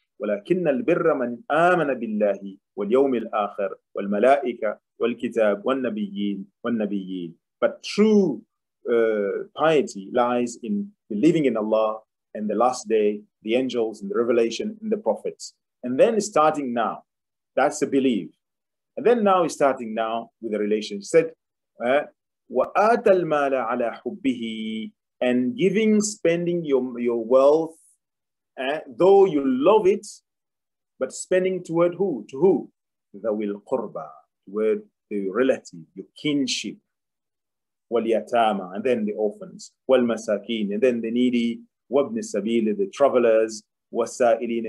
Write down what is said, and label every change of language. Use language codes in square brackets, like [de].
[ar] وَلَكِنَّ الْبِرَّ مَنْ آمَنَ بِاللَّهِ وَالْيَوْمِ الْآخِرِ وَالْمَلَائِكَةِ وَالْكِتَابِ وَالنَّبِيِّينَ. [en] But true piety lies in believing in Allah and the last day, the angels and the revelation and the prophets. And then starting now, that's a belief. And then now is starting now with the relation. He said, [ar] وَآتَ الْمَالَ عَلَى حُبِّهِ. [en] And giving, spending your wealth, though you love it, but spending toward who? To who? [ar] ذَوِي الْقُرْبَى. [en] Toward your relative, your kinship. [ar] وَالْيَتَامَ. [en] And then the orphans. [ar] وَالْمَسَاكِينَ. [en] And then the needy. [ar] وَابْنِ السَّبِيلِ. [en] The travelers. [ar] وَالسَّائِلِينَ.